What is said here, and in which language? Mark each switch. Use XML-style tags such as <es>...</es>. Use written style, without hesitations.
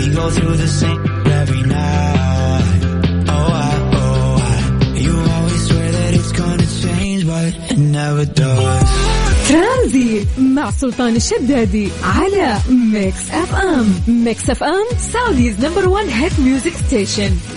<en>Through the same every night. Oh, I, oh, I. You always swear that it's gonna change, but it never does.</en> <ar>Tranzit مع سلطان الشدادي على Mix FM.</ar> <en>Mix FM Saudi's number one hit music station.</en>